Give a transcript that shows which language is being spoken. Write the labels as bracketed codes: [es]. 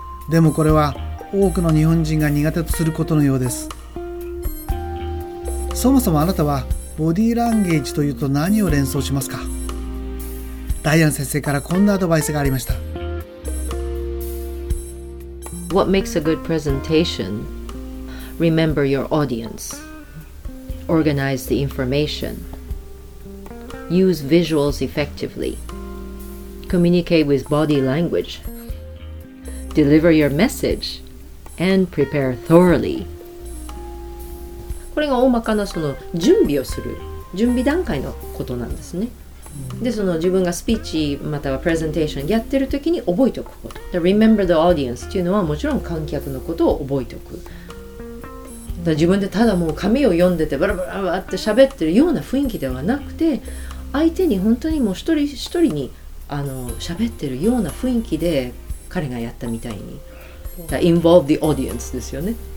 [ja] でもこれは多くの日本人が苦手とすることのようです。そもそもあなたはボディーランゲージというと何を連想しますか？ダイアン先生からこんなアドバイスがありました。 [en] What makes a good presentation? Remember your audience. Organize the information. Use visuals effectively. Communicate with body language. Deliver your message and prepare thoroughly. [ja] これが大まかなその準備をする準備段階のことなんですね。で、その自分がスピーチまたはプレゼンテーションやってる時に覚えておくこと。 [en] The remember the audience [ja] っていうのはもちろん観客のことを覚えておく。だ自分でただもう紙を読んでてバラバラバラって喋ってるような雰囲気ではなくて、相手に本当にもう一人一人に喋ってるような雰囲気で彼がやったみたいに、だ [en] involve the audience [ja] ですよね。